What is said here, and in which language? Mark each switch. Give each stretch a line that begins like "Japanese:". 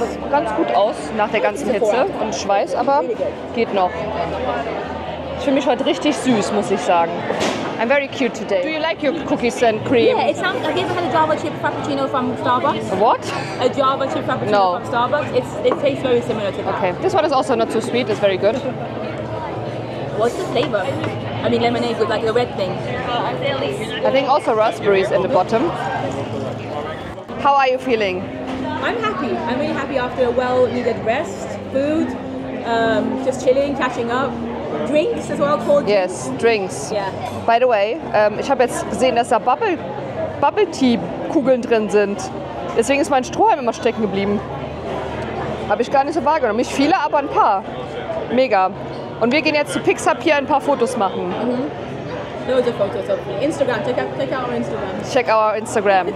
German: Ganz gut aus nach der ganzen Hitze und Schweiß, aber geht noch. Ich fühle mich heute richtig süß, muss ich sagen.
English: I'm very cute today. Do you like your cookies and cream? Yeah, it sounds. Have you ever had a Java chip frappuccino from Starbucks? What? A Java chip frappuccino no. from Starbucks. It tastes very similar to that. Okay. This one is also not too sweet. It's very good. What's the flavor? I mean, lemonade with like the red thing. I think also raspberries in the bottom. How are you feeling? I'm happy. I'm really happy after a well-needed rest, food, just chilling, catching up. Drinks as well, cold drinks. Yes, drinks. Yeah. By the way,
German: ich habe jetzt gesehen, dass da Bubble-Tea-Kugeln drin sind. Deswegen ist mein Strohhalm immer stecken geblieben. Habe ich gar nicht so wahrgenommen. Nicht viele, aber ein paar. Mega. Und wir gehen jetzt zu Pixup hier ein paar Fotos machen.
English: Mhm. Loads of photos of me. Instagram, check out our Instagram.